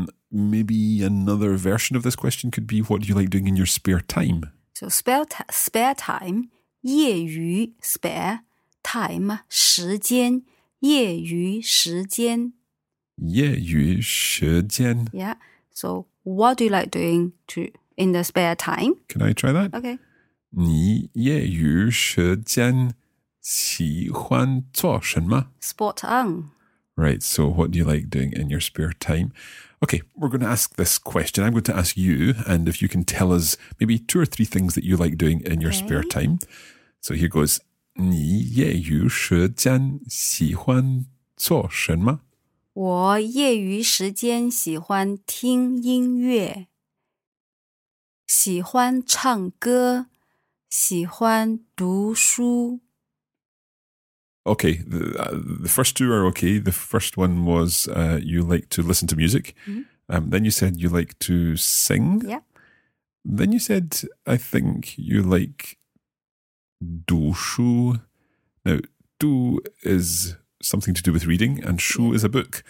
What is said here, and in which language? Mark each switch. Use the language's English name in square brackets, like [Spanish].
[English] Maybe another version of this question could be what do you like doing in your spare time? So spare time, 业余 spare time, 时间业余时间 [Chinese] 业余时间 [English] Yeah. So what do you like doing to in the spare time? Can I try that? Okay. [Chinese] 你业余时间喜欢做什么? [English] Spot on. Right, so what do you like doing in your spare time? Okay, we're going to ask this question. I'm going to ask you, and if you can tell us maybe two or three things that you like doing in your spare time. So here goes, [Chinese] 你业余时间喜欢做什么? 我业余时间喜欢听音乐,喜欢唱歌,喜欢读书。 [English] Okay, the first two are okay. The first one was you like to listen to music. Mm-hmm. Then you said you like to sing. Yeah. Then you said, I think, you like 读书. Now, 读 is something to do with reading and 书 is a book.